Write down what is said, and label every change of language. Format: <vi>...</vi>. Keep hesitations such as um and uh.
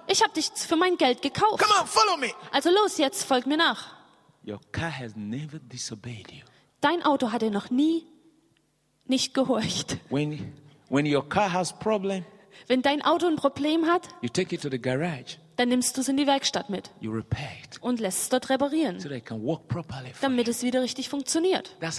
<de>Ich habe dich für mein Geld gekauft.</de> <en>Come on, follow me.</en> <de>Also los, jetzt folg mir nach.</de> <en>Your car has never disobeyed you.</en> <de>Dein Auto hat dir noch nie nicht gehorcht. Wenn dein Auto Probleme hat, wenn dein Auto ein Problem hat, garage, dann nimmst du es in die Werkstatt mit</de> <en>it,</en> <de>und lässt es dort reparieren, so damit es wieder richtig funktioniert.</de>